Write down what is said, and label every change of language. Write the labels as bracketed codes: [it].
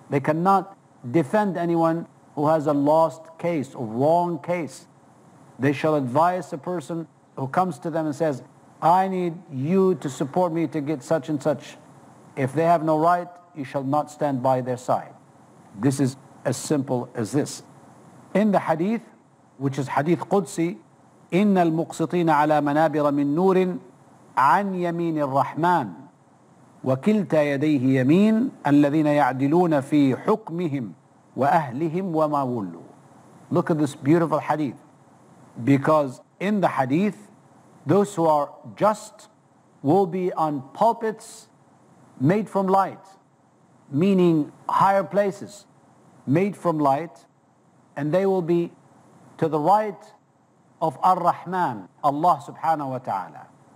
[en] They cannot defend anyone who has a lost case, a wrong case. They shall advise a person who comes to them and says, I need you to support me to get such and such. If they have no right, you shall not stand by their side. This is as simple as this. In the hadith, which is hadith Qudsi, [ar] إِنَّ الْمُقْسِطِينَ عَلَى مَنَابِرَ مِنْ نُورٍ عَنْ يَمِينِ الرَّحْمَانِ وَكِلْتَ يَدَيْهِ يَمِينَ الَّذِينَ يَعْدِلُونَ فِي حُكْمِهِمْ وَأَهْلِهِمْ وَمَا وُلُّوا. [en] Look at this beautiful hadith. Because in the hadith, those who are just will be on pulpits made from light, meaning higher places made from light, and they will be to the right of Ar-Rahman, Allah subhanahu wa ta'ala.